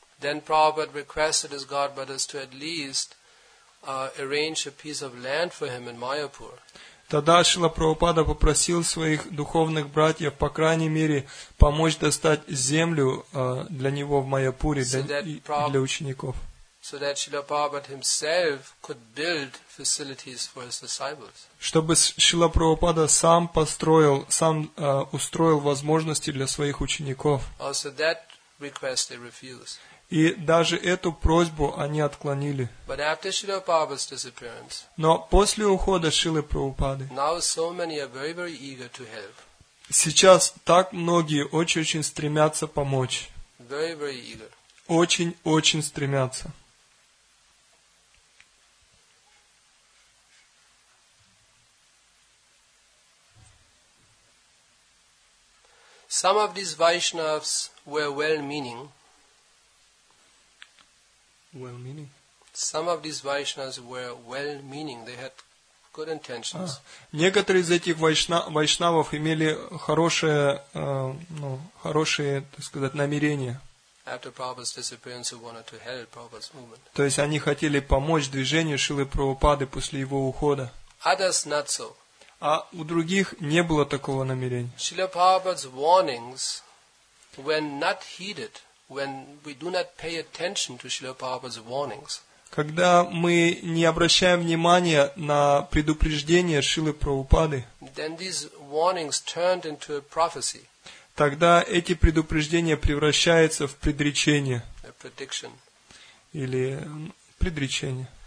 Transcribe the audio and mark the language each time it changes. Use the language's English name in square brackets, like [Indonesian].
[English] Then Prabhupada requested his godbrothers to at least arrange a piece of land for him in Mayapur. [Russian] Тогда Шрила Прабхупада попросил своих духовных братьев, по крайней мере, помочь достать землю для него в Майяпуре, для учеников. [English] So that Srila Prabhupada himself could build facilities for his disciples. [Russian] Чтобы Шрила Прабхупада сам построил, сам устроил возможности для своих учеников. [English] Also that request they refused. [Russian] И даже эту просьбу они отклонили. [English] But after Srila Prabhupada's disappearance. [Russian] Но после ухода Шрилы Прабхупады. [English] Now so many are very, very eager to help. [Russian] Сейчас так многие очень-очень стремятся помочь. [English] Very, very eager. [Russian] Очень-очень стремятся. [English] Some of these Vaishnavas were well-meaning. Well-meaning? Some of these Vaishnavas were well-meaning. They had good intentions. [Russian] Некоторые из этих вайшнавов имели хорошие, ну, хорошие, так сказать, намерения. [English] After Prabhupada's disappearance, they wanted to help Prabhupada's movement. [Russian] То есть они хотели помочь движению Шрилы Прабхупады после его ухода. [English] Others not so. [Russian] А у других не было такого намерения. [English] Srila Prabhupada's warnings, when not heeded, when we do not pay attention to Srila Prabhupada's warnings. [Russian] Когда мы не обращаем внимания на предупреждения Шрилы Прабхупады. [English] Then these warnings turned into a prophecy. [Russian] Тогда эти предупреждения превращаются в предречение. [English] A prediction. [Russian] Или предречение.